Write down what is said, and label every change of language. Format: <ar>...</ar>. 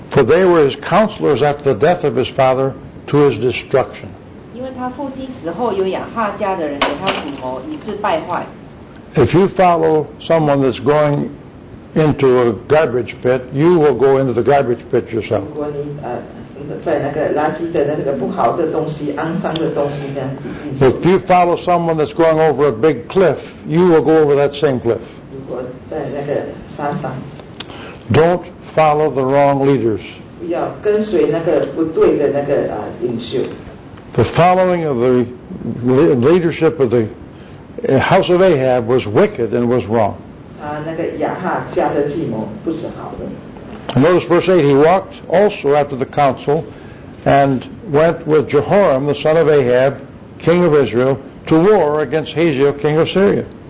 <en>For they were his counselors after the death of his father to his destruction.</en> <zh>因为他父亲死后，有亚哈家的人给他主谋，以致败坏。</zh> <en>If you follow someone that's going into a garbage pit, you will go into the garbage pit yourself.</en> <zh>如果你在那个垃圾的那个不好的东西，肮脏的东西那样。</zh> <en>If you follow someone that's going over a big cliff, you will go over that same cliff.</en> <zh>如果在那个山上,</zh> <en>don't follow the wrong leaders.</en> <zh>不要跟随那个不对的那个领袖。</zh> <en>The following of the leadership of the house of Ahab was wicked and was wrong.</en> <zh>那个亚哈家的计谋不是好的。</zh> <en>Notice verse 8, he walked also after the council and went with Jehoram, the son of Ahab, king of Israel, to war against Hazael, king of Syria.</en>